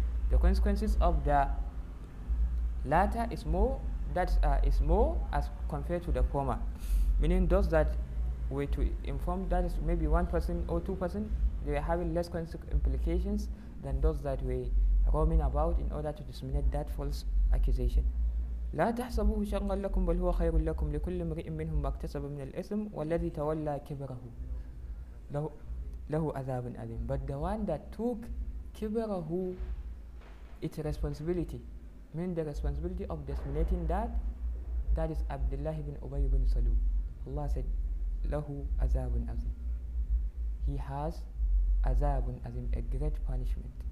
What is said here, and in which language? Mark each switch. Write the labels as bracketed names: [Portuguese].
[English] The consequences of the latter is more. That is more as compared to the former. Meaning those that were to inform, that is maybe 1% or 2%, they were having less implications than those that were roaming about in order to disseminate that false accusation. [Arabic] لا تحسبوه شرا لكم بل هو خير لكم لكل امرئ منهم ما اكتسب من الإثم والذي تولى كبره له عذاب أليم. [English] But the one that took كبره, its responsibility, mean the responsibility of disseminating that is Abdullah ibn Ubay ibn Salul. Allah said, [Arabic] Lahu azabun azim. [English] He has [Arabic] azabun azim, [English] a great punishment.